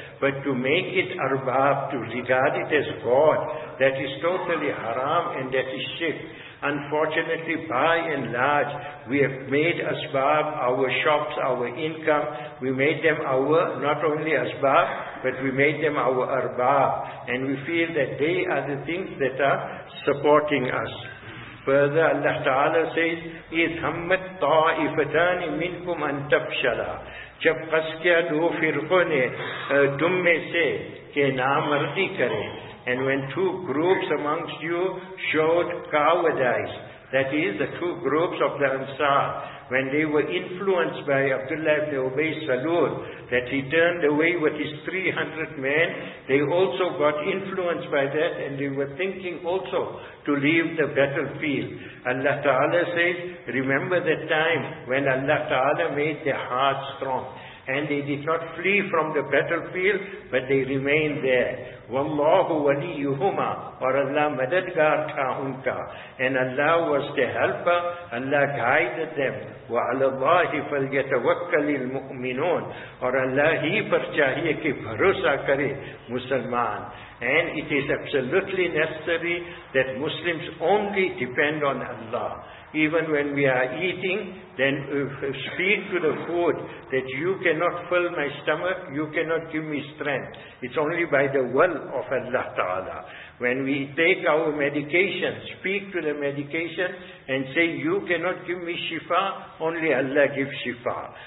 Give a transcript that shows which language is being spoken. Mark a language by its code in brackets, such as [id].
[en] But to make it arbab, to regard it as God, that is totally haram and that is shirk. Unfortunately, by and large, we have made asbab our shops, our income. We made them our, not only asbab, but we made them our arbab. And we feel that they are the things that are supporting us. Further, Allah Ta'ala says, [ar] إِذْ هَمَّتْ طَائِفَتَانِ مِنْكُمْ أَنْ تَبْشَلَا. [ur] جب قص کیا دو فرقوں نے تم میں سے کہ نامردی کریں. [en] And when two groups amongst you showed cowardice, that is the two groups of the Ansar, when they were influenced by Abdullah ibn Ubay Salul, that he turned away with his 300 men, they also got influenced by that, and they were thinking also to leave the battlefield. Allah Ta'ala says, remember the time when Allah Ta'ala made their hearts strong, and they did not flee from the battlefield, but they remained there. [ar] وَاللَّهُ وَلِيُّهُمَا. [ur] اور اللہ مددگار تھا ان کا. [en] And Allah was the helper. Allah guided them. [ar] وَعَلَى اللَّهِ فَلْيَتَوَكَّلِ الْمُؤْمِنُونَ. [ur] اور اللہ ہی پر چاہیے کہ بھروسہ کرے مسلمان. [en] And it is absolutely necessary that Muslims only depend on Allah. Even when we are eating, then speak to the food that you cannot fill my stomach, you cannot give me strength. It's only by the will of Allah Ta'ala. When we take our medication, speak to the medication and say, you cannot give me shifa, only Allah gives shifa.